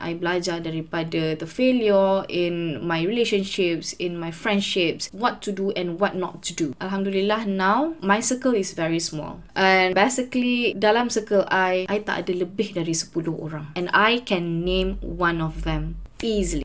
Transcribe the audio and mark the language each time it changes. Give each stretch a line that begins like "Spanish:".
English: I
Malay: belajar daripada
English: the failure in my relationships, in my friendships, what to do and what not to do. Alhamdulillah, now my circle is very small. And basically
Malay: dalam circle I tak ada lebih dari 10 orang.
English: And I can name one of them easily.